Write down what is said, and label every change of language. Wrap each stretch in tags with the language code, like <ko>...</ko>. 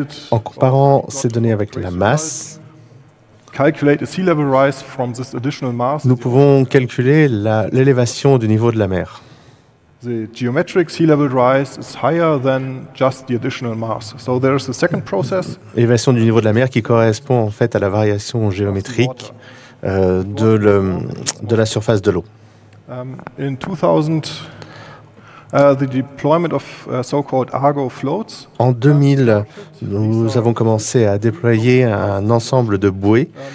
<fr>En comparant ces données avec la masse, nous pouvons calculer l'élévation du niveau de la mer.</fr> <en>The geometric sea level rise is higher than just the additional mass. So there is a second process.</en> <fr>L'élévation du niveau de la mer qui correspond en fait à la variation géométrique de la surface de l'eau.</fr> <en>In 2000, the deployment of so-called Argo floats.</en> <fr>En 2000, nous avons commencé à déployer un ensemble de bouées.</fr>